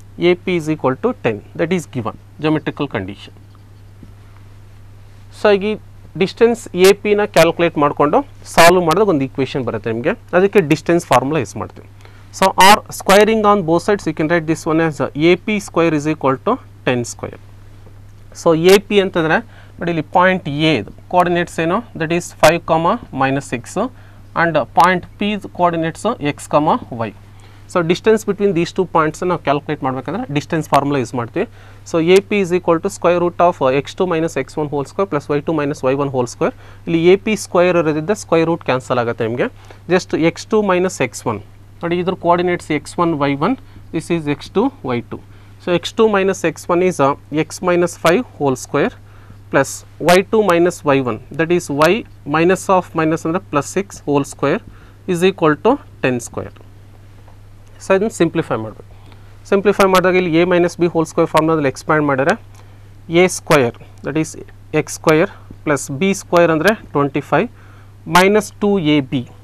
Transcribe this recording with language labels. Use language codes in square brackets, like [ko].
[en] AP is equal to 10, that is given geometrical condition. [kn] So, ಈ distance AP ನ calculate ಮಾಡ್ಕೊಂಡು solve ಮಾಡಿದಾಗ ಒಂದು equation ಬರುತ್ತೆ ನಿಮಗೆ, ಅದಕ್ಕೆ distance formula use ಮಾಡ್ತೀವಿ. [en] So, R squaring on both sides, you can write this one as AP square is equal to 10 square. [kn] So, AP ಅಂತಂದ್ರೆ ನೋಡಿ ಇಲ್ಲಿ ಪಾಯಿಂಟ್ ಎ ಕೋಆರ್ಡಿನೇಟ್ಸ್ ಏನು, [en] that is 5, -6 and [kn] point P ಕೋಆರ್ಡಿನೇಟ್ಸು x, y. [en] so distance between these two points [kn] ನಾವು calculate ಮಾಡಬೇಕಂದ್ರೆ distance formula use ಮಾಡ್ತೀವಿ. [en] so A P is equal to square root of x2 - x1² plus y2 - y1² [kn] ಇಲ್ಲಿ A P square ಇರೋದ್ರಿಂದ square root cancel ಆಗುತ್ತೆ ನಿಮಗೆ. Just x2 - x1 ನೋಡಿ, ಇದ್ರ coordinates x1 - y1, [en] This is x2 - y2. So x2 - x1 is x - 5² plus y2 - y1, that is y - ಅಂದರೆ +6² is equal to 10². [kn] So ಇದನ್ನು simplify ಮಾಡಬೇಕು. Simplify ಮಾಡಿದಾಗ ಇಲ್ಲಿ a - b² ಫಾರ್ಮುಲಾದಲ್ಲಿ ಎಕ್ಸ್ಪ್ಯಾಂಡ್ ಮಾಡಿದ್ರೆ a² [en] that is x² plus b² [kn] ಅಂದರೆ 25 minus 2ab.